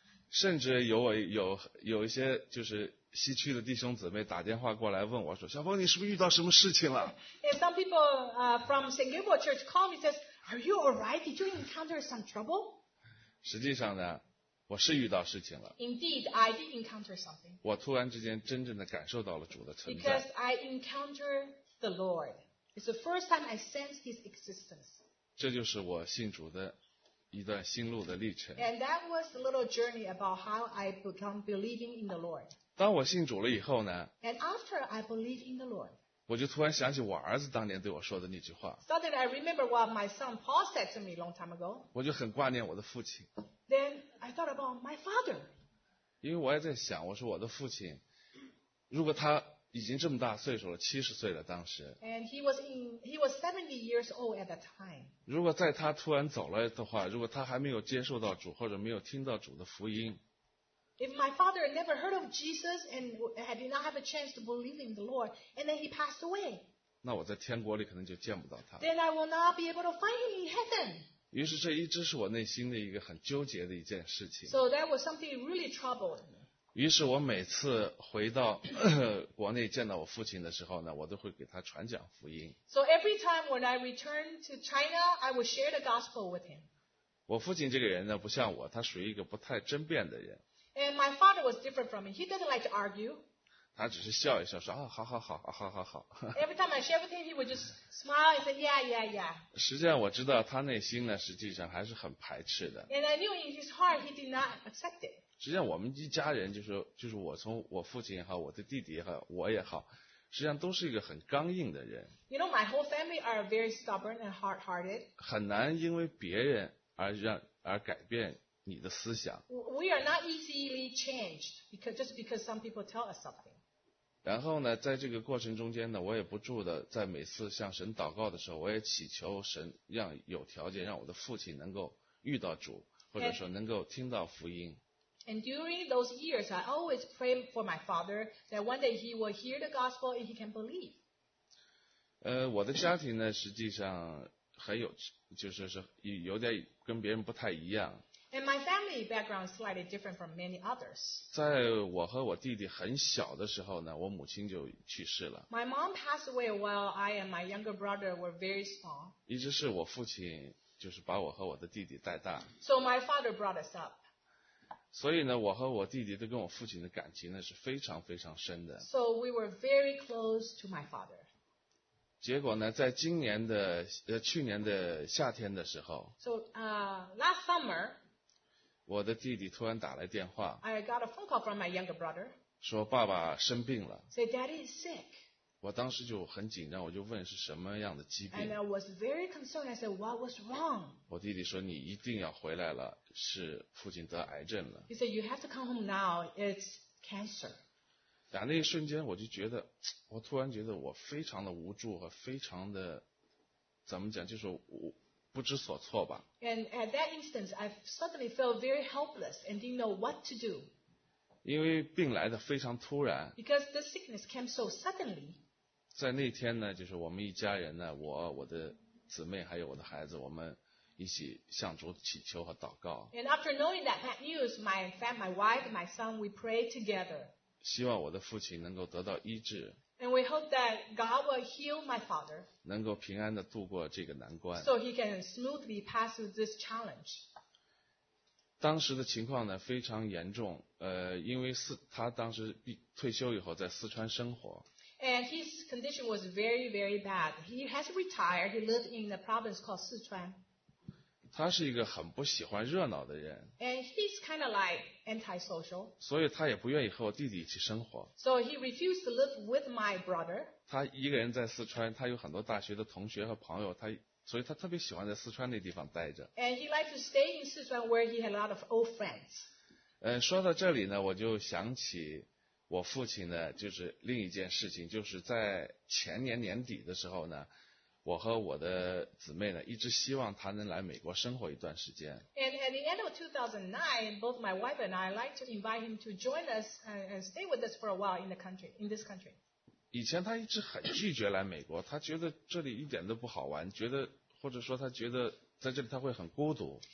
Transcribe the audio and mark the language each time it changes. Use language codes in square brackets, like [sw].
[zh] 甚至有一些就是西区的弟兄姊妹打电话过来问我说：“小峰，你是不是遇到什么事情了？” [en] And some people from St. Gabriel Church call me says, "Are you alright? Did you encounter some trouble?" [zh] 实际上呢，我是遇到事情了。 [en] Indeed, I did encounter something. [zh] 我突然之间真正的感受到了主的存在。 [en] Because I encountered the Lord, it's the first time I sensed His existence. [zh] 这就是我信主的。一段心路的历程。 [en] And that was a little journey about how I become believing in the Lord. [zh] 当我信主了以后呢 [en] ？And after I believe in the Lord. [zh] 我就突然想起我儿子当年对我说的那句话。 [en] Suddenly I remember what my son Paul said to me long time ago. [zh] 我就很挂念我的父亲。 [en] Then I thought about my father. [zh] 因为我也在想，我说我的父亲，如果他已经这么大岁数了，七十岁了当时。 [en] And he was 70 years old at the time. [zh] 如果在他突然走了的话，如果他还没有接受到主或者没有听到主的福音。 [en] If my father never heard of Jesus and did not have a chance to believe in the Lord, and then he passed away. [zh] 那我在天国里可能就见不到他。 [en] Then I will not be able to find him in heaven. [zh] 于是这一直是我内心的一个很纠结的一件事情。 [en] So that was something really troubled me. [zh] 于是我每次回到国内见到我父亲的时候呢，我都会给他传讲福音。 [en] So every time when I return to China, I will share the gospel with him. [zh] 我父亲这个人呢，不像我，他属于一个不太争辩的人。 [en] And my father was different from me. He doesn't like to argue. [zh] 他只是笑一笑说啊好好好啊好好好。 [en] Every time I share with him, he would just smile and say, yeah, yeah, yeah. [zh] 实际上我知道他内心呢实际上还是很排斥的。 [en] And I knew in his heart, he did not accept it. [zh] 实际上我们一家人就是我从我父亲也好我的弟弟也好我也好实际上都是一个很刚硬的人。 [en] You know, my whole family are very stubborn and hard-hearted. [zh] 很难因为别人而改变。你的思想 [en] We are not easily changed because, just because some people tell us something. [zh] 然后呢在这个过程中间呢我也不住的在每次向神祷告的时候我也祈求神让有条件让我的父亲能够遇到主或者说能够听到福音 [en] And during those years, I always pray for my father that one day he will hear the gospel and he can believe. [zh] 我的家庭呢实际上很有就是说有点跟别人不太一样 [en] And my family background is slightly different from many others. [zh] 在我和我弟弟很小的时候呢，我母亲就去世了。 [en] My mom passed away while I and my younger brother were very small. [zh] 一直是我父亲就是把我和我的弟弟带大。 [en] So my father brought us up. [zh] 所以呢，我和我弟弟都跟我父亲的感情呢是非常非常深的。 [en] So we were very close to my father. [zh] 结果呢在今年的去年的夏天的时候 [en] So, last summer, [zh] 我的弟弟突然打来电话 [en] I got a phone call from my younger brother, [zh] 说爸爸生病了 [en] Say, daddy is sick. [zh] 我当时就很紧张我就问是什么样的疾病 [en] And I was very concerned, I said, what was wrong? [zh] 我弟弟说你一定要回来了是父亲得癌症了 [en] He said, you have to come home now, it's cancer. [zh] 在那一瞬间我就觉得我突然觉得我非常的无助和非常的怎么讲就是我不知所措吧。 [en] And at that instance, I suddenly felt very helpless and didn't know what to do. [zh] 因为病来的非常突然。 [en] Because the sickness came so suddenly. [zh] 在那天呢就是我们一家人呢我的姊妹还有我的孩子我们一起向主祈求和祷告。 [en] And after knowing that bad news, my wife, my son, we prayed together. [zh] 希望我的父亲能够得到医治 [en] And we hope that God will heal my father [zh] 能够平安地度过这个难关 [en] So he can smoothly pass through this challenge [zh] 当时的情况呢非常严重因为他当时退休以后在四川生活 [en] And his condition was very very bad He has retired He lived in a province called 四川 [zh] 他是一个很不喜欢热闹的人 [en] And he's kind of like antisocial [zh] 所以他也不愿意和我弟弟一起生活 [en] So he refused to live with my brother [zh] 他一个人在四川他有很多大学的同学和朋友他所以他特别喜欢在四川那地方待着 [en] And he liked to stay in 四川 where he had a lot of old friends [zh] 说到这里呢我就想起我父亲呢就是另一件事情就是在前年年底的时候呢我和我的姊妹呢，一直希望她能来美国生活一段时间。 [en] And at the end of 2009, both my wife and I like to invite him to join us and stay with us for a while in this country. [zh] 以前她一直很拒绝来美国，她觉得这里一点都不好玩，觉得或者说她觉得在这里她会很孤独。